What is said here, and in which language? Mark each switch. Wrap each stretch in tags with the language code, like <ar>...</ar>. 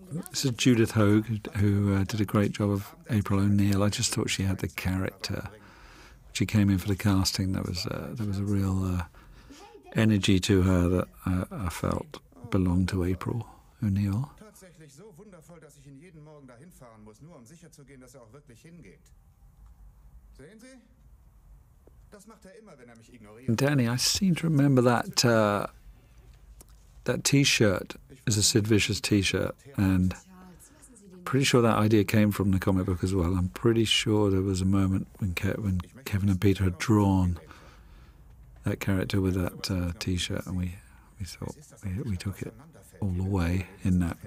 <en>This is Judith Hogue, who did a great job of April O'Neil. I just thought she had the character. She came in for the casting. There was a real energy to her that I felt belonged to April O'Neil.</en> <de>Tatsächlich so wundervoll, dass ich ihn jeden Morgen dahin fahren muss, nur um sicher zu gehen, dass auch wirklich hingeht. Sehen Sie? Das macht immer, wenn mich ignoriert.</de> <en>Danny, I seem to remember that that T-shirt is a Sid Vicious T-shirt, and I'm pretty sure that idea came from the comic book as well. I'm pretty sure there was a moment when Kevin and Peter had drawn that character with that T-shirt, and we took it all the way in that.</en>